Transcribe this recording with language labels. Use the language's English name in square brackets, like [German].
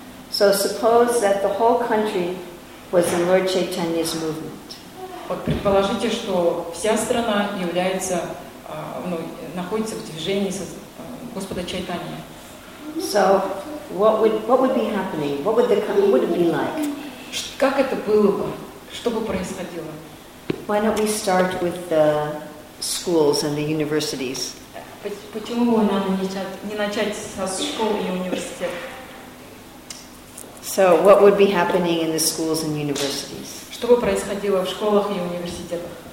[English] So suppose that the whole country was in Lord Chaitanya's movement. [Russian] Вот предположите, что вся страна является, ну, находится в движении Господа Чайтанья. [English] So, what would be happening? What would it be like? [Russian] Как это было бы? Что бы происходило? [English] Why don't we start with the schools and the universities? [Russian] Почему бы нам не начать со школ и университетов? [English] So, what would be happening in the schools and universities? [Russian] Что бы происходило в школах и университетах?